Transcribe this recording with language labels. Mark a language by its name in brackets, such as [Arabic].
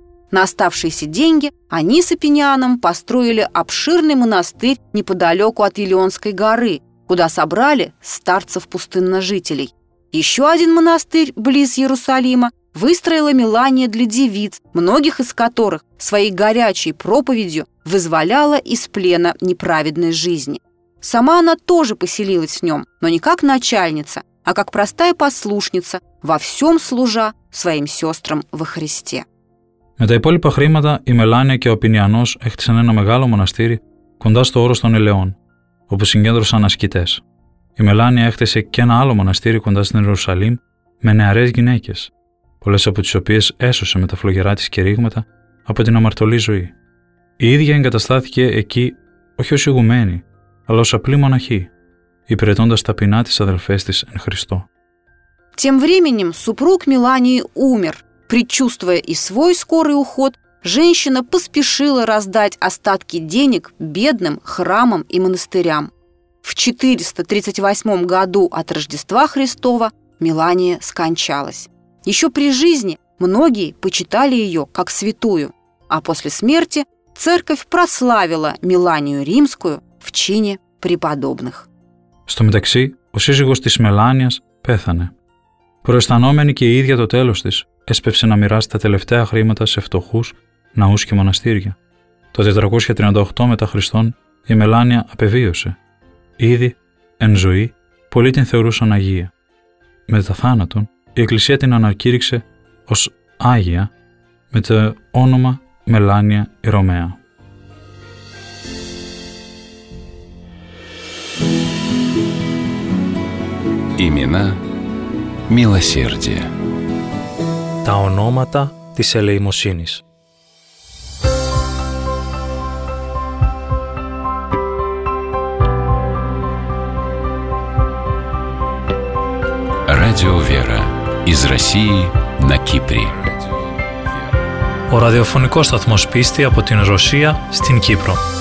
[Russian] На оставшиеся деньги они с Апинианом построили обширный монастырь неподалеку от Елеонской горы, куда собрали старцев-пустынножителей. Еще один монастырь близ Иерусалима выстроила Мелания для девиц, многих из которых своей горячей проповедью вызволяла из плена неправедной жизни. Сама она тоже поселилась в нем, но не как начальница, а как простая послушница, во всем служа своим сестрам во Христе. [Greek] Με τα υπόλοιπα χρήματα, η Μελάνια και ο Απινιανός έχτισαν ένα μεγάλο μοναστήρι κοντά στο όρος των Ελαιών, όπου συγκέντρωσαν ασκητές. Η Μελάνια έχτισε και ένα άλλο μοναστήρι κοντά στην Ιερουσαλήμ με νεαρές γυναίκες, πολλές από τις οποίες έσωσε με τα φλογερά της κηρύγματα από την αμαρτωλή ζωή. Η ίδια εγκαταστάθηκε εκεί όχι ως ηγουμένη, αλλά ως απλή μοναχή, υπηρετώντας ταπεινά τις αδελφές της εν Χριστώ. [Russian] Тем временем супруг Мелании умер. Предчувствуя и свой скорый уход, женщина поспешила раздать остатки денег бедным храмам и монастырям. В 438 году от Рождества Христова Мелания скончалась. Еще при жизни многие почитали ее как святую, а после смерти церковь прославила Меланию Римскую в чине преподобных. Что мтакси, [Greek] ο сύζυγος της Μελάνιας πέθανε. Προαισθανόμενη και η ίδια το τέλος της, έσπευσε να μοιράσει τα τελευταία χρήματα σε φτωχούς, ναούς και μοναστήρια. Το 438 μετά Χριστόν η Μελάνια απεβίωσε. Ήδη, εν ζωή, πολλοί την θεωρούσαν Αγία. Μετά θάνατον, η Εκκλησία την ανακήρυξε ως Άγια με το όνομα Μελάνια η Ρωμαία. [Russian] Имена милосердия. [Greek] Τα ονόματα της ελεημοσύνης. [Russian] Радио Вера из России на Кипре. [Greek] Ο ραδιοφωνικός σταθμός πίστη από την Ρωσία στην Κύπρο.